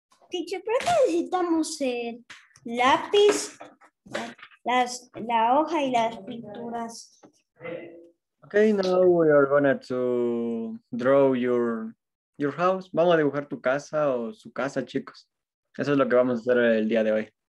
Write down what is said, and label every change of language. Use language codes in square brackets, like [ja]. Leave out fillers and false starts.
[es] Teacher, ¿por qué necesitamos el lápiz, la hoja y las pinturas? [en] Okay, now we are going to draw your house. [es] Vamos a dibujar tu casa o su casa, chicos. Eso es lo que vamos a hacer el día de hoy.